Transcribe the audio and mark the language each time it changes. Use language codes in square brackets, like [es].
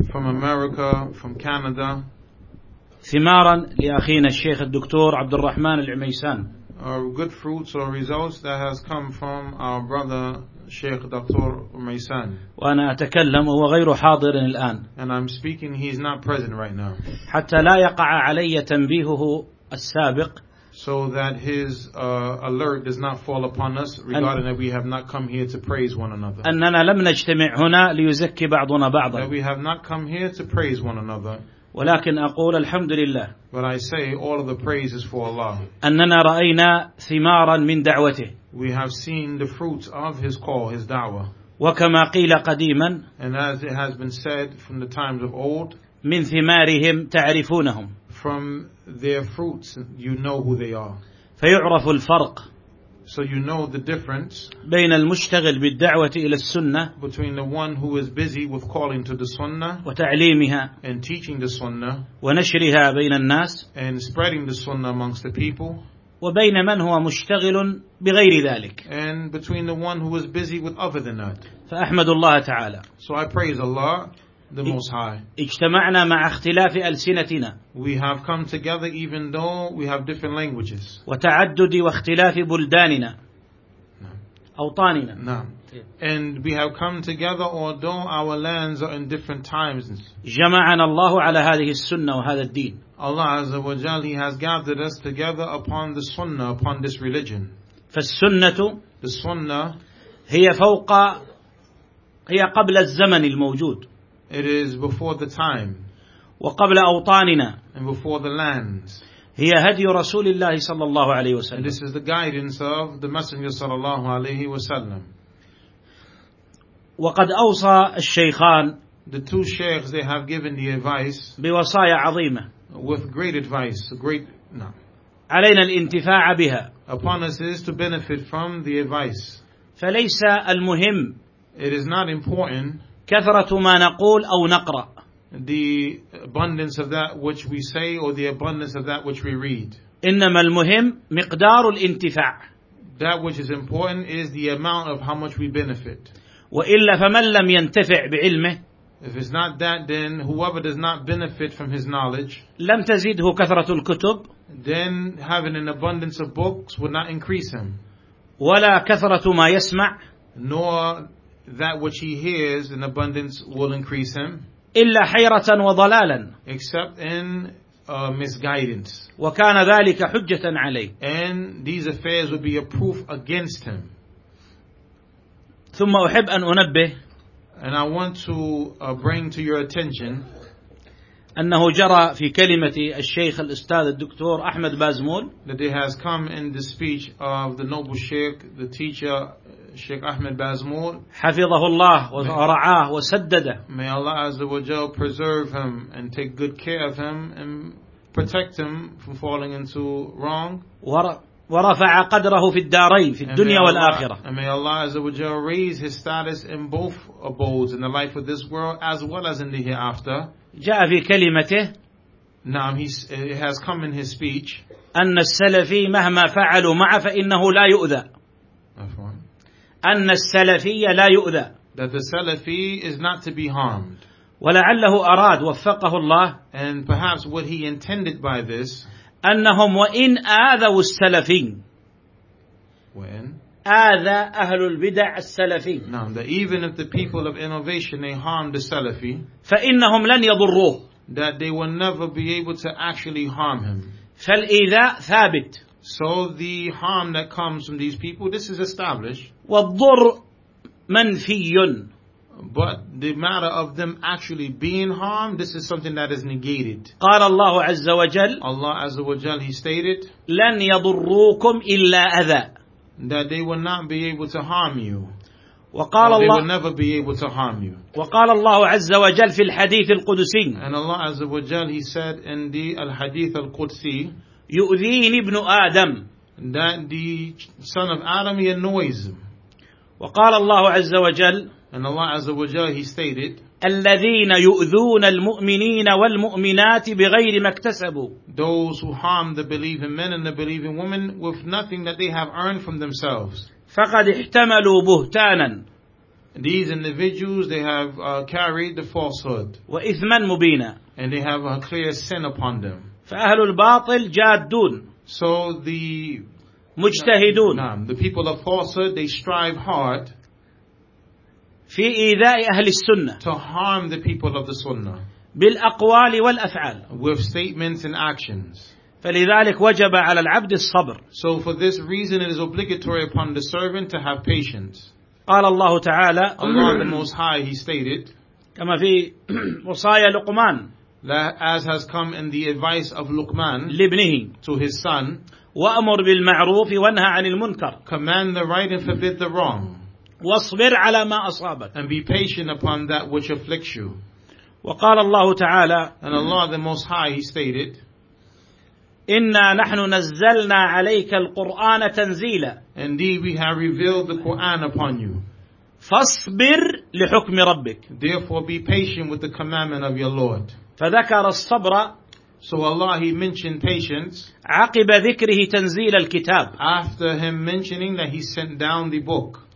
[en] from America, from Canada [ar] ثمارا لأخينا الشيخ الدكتور عبد الرحمن العميسان [en] good fruits or results that has come from our brother Sheikh Dr. Umaysan. [ar] وأنا أتكلم وهو غير حاضر الآن. [en] And I'm speaking, he's not present right now. [ar] حتى لا يقع علي تنبيهه السابق. [en] So that his alert does not fall upon us regarding that we have not come here to praise one another. [ar] أننا لم نجتمع هنا ليزكي بعضنا بعضا. [en] That we have not come here to praise one another. [ar] ولكن أقول الحمد لله. [en] But I say all of the praise is for Allah. [ar] أننا رأينا ثمارا من دعوته. [en] We have seen the fruits of his call, his da'wah. [ar] وكما قيل قديما. [en] And as it has been said from the times of old. [ar] من ثمارهم تعرفونهم. [en] From their fruits, you know who they are. [ar] فيعرف الفرق. [en] So you know the difference. [ar] بين المشتغل بالدعوة إلى السنة. [en] Between the one who is busy with calling to the sunnah. [ar] وتعليمها. [en] And teaching the sunnah. [ar] ونشرها بين الناس. [en] And spreading the sunnah amongst the people. [ar] وبين من هو مشتغل بغير ذلك. [en] And between the one who is busy with other than that. [ar] فأحمد الله تعالى. [en] So I praise Allah. The Most High. [ar] اجتمعنا مع اختلاف ألسنتنا. [en] We have come together even though we have different languages. [ar] وتعدد واختلاف بلداننا. أوطاننا. [en] And we have come together although our lands are in different times. [ar] جمعنا الله على هذه السنة وهذا الدين. [en] Allah Azza wa Jal, He has gathered us together upon the Sunnah, upon this religion. [ar] فالسنة. [en] The Sunnah. [ar] هي فوق. هي قبل الزمن الموجود. [en] It is before the time. [ar] وقبل أوطاننا. [en] And before the lands. [ar] هي هدي رسول الله صلى الله عليه وسلم. [en] And this is the guidance of the Messenger [ar] صلى الله عليه وسلم. وقد أوصى الشيخان. [en] The two sheikhs, they have given the advice. [ar] بوصايا عظيمة. [en] With great advice. Great. No. [ar] علينا الانتفاع بها. [en] Upon us is to benefit from the advice. [ar] فليس المهم. [en] It is not important. [ar] كثرة ما نقول أو نقرأ. [en] The abundance of that which we say or the abundance of that which we read. [ar] إنما المهم مقدار الانتفاع. [en] That which is important is the amount of how much we benefit. [ar] وإلا فمن لم ينتفع بعلمه. [en] If it's not that, then whoever does not benefit from his knowledge. [ar] لم تزيده كثرة الكتب. [en] Then having an abundance of books would not increase him. [ar] ولا كثرة ما يسمع. [en] Nor that which he hears in abundance will increase him. [ar] إلا حيرة وضلالا. [en] Except in misguidance. [ar] وكان ذلك حجة عليه. [en] And these affairs would be a proof against him. [ar] ثم أحب أن أنبه. [en] And I want to bring to your attention. [ar] أنه جرى في كلمة الشيخ الأستاذ الدكتور أحمد بازمول. [en] That it has come in the speech of the noble sheikh, the teacher. Sheikh Ahmed Bazmoul, [ar] حفظه الله ورعاه وسدده. [en] May Allah Azza wa Jal preserve him and take good care of him and protect him from falling into wrong. [ar] ورفع قدره في الدارين في الدنيا والآخرة. [en] And may Allah Azza wa Jal raise his status in both abodes, in the life of this world as well as in the hereafter. [ar] جاء في كلمته. نعم, [en] it has come in his speech. [ar] أن السلفي مهما فعلوا معه فإنه لا يؤذى. أن السلفي لا يؤذى. [en] That the Salafi is not to be harmed. [ar] ولعله أراد وفقه الله. [en] And perhaps what he intended by this. [ar] أنهم وإن آذوا السلفين. [en] When? [ar] آذى أهل البدع السلفين. [en] Now that even if the people of innovation they harm the Salafi. [ar] فإنهم لن يضروه. [en] That they will never be able to actually harm him. [ar] فالإذاء ثابت. [en] So the harm that comes from these people, this is established. [ar] والضر منفي. [en] But the matter of them actually being harmed, this is something that is negated. [ar] قال الله عز وجل. [en] Allah [ar] عز وجل, [en] He stated. [ar] لن يضروكم إلا أذى. [en] That they will not be able to harm you. [ar] وقال [en] they [ar] الله. [en] They will never be able to harm you. [ar] وقال الله عز وجل في الحديث القدسي. [en] And Allah [ar] عز وجل, [en] He said in the [ar] الحديث القدسي. يؤذيني ابن آدم. [en] That the son of Adam he annoys him. [ar] وقال الله عز وجل. [en] And Allah [ar] عز وجل [en] he stated. [ar] الذين يؤذون المؤمنين والمؤمنات بغير ما اكتسبوا. [en] Those who harm the believing men and the believing women with nothing that they have earned from themselves. [ar] فقد احتملوا بهتانا. [en] These individuals they have carried the falsehood. [ar] وإثما مبينا. [en] And they have a clear sin upon them. [ar] فأهل الباطل جادون. [en] So the [ar] مجتهدون. [en] The people of falsehood, they strive hard. [ar] في إيذاء أهل السنة. [en] To harm the people of the Sunnah. [ar] بالأقوال والأفعال. [en] With statements and actions. [ar] فلذلك وجب على العبد الصبر. [en] So for this reason it is obligatory upon the servant to have patience. [ar] قال الله تعالى. [en] Allah the Most High, He stated. [ar] كما في وصايا لقمان. [en] As has come in the advice of Luqman [ar] لابنه. [en] To his son. [ar] وأمر بالمعروف وانهى عن المنكر. [en] Command the right and forbid the wrong. [ar] واصبر على ما أصابك. [en] And be patient upon that which afflicts you. [ar] وقال الله تعالى. [en] And Allah the Most High, He stated. [ar] إنا نحن نزلنا عليك القرآن تنزيلا. [en] Indeed, we have revealed the Quran upon you. [ar] فاصبر لحكم ربك. [en] Therefore, be patient with the commandment of your Lord. [ar] فذكر الصبر. [en] So Allah, He mentioned patience. [ar] عقب ذكره تنزيل الكتاب. [en] After Him mentioning that He sent down the book.